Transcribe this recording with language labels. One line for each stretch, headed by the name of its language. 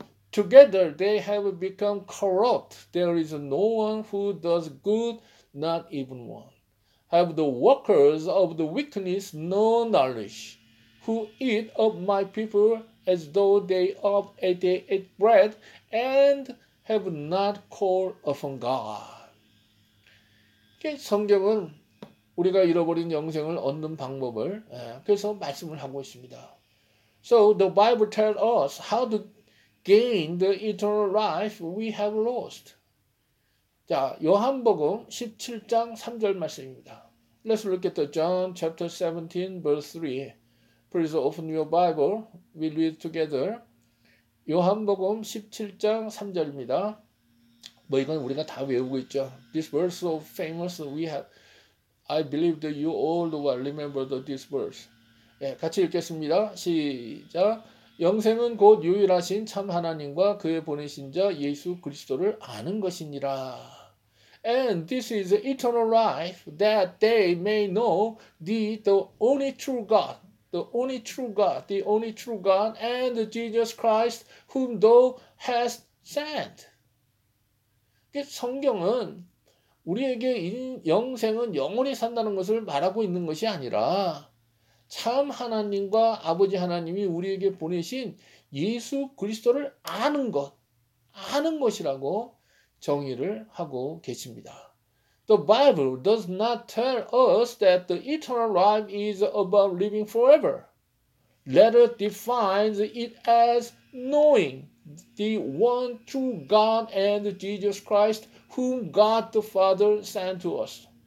English: Together they have become corrupt. There is no one who does good, not even one. Have the workers of the wickedness no knowledge, who eat of my people as though they ate bread, and have not called upon God.
Korean: 성경은 우리가 잃어버린 영생을 얻는 방법을 그래서 말씀을 하고 있습니다.
English: So the Bible tells us how to gain the eternal life we have lost.
Korean: 자, 요한복음 17장 3절 말씀입니다.
English: Let's look at the John chapter 17 verse 3. Please open your Bible. We'll read together.
Korean: 요한복음 17장 3절입니다. 뭐 이건 우리가 다 외우고 있죠.
English: This verse so famous we have. I believe that you all will remember this verse.
Korean: 예, 같이 읽겠습니다. 시작. 영생은 곧 유일하신 참 하나님과 그의 보내신 자 예수 그리스도를 아는 것이니라.
English: And this is eternal life that they may know thee, the only true God. The only true God. The only true God and Jesus Christ whom thou hast sent.
Korean: 성경은 우리에게 영생은 영원히 산다는 것을 말하고 있는 것이 아니라 참 하나님과 아버지 하나님이 우리에게 보내신 예수 그리스도를 아는 것, 아는 것이라고 정의를 하고 계십니다.
English: The Bible does not tell us that the eternal life is about living forever. Rather defines it as knowing the one true God and Jesus Christ whom God the Father sent to us.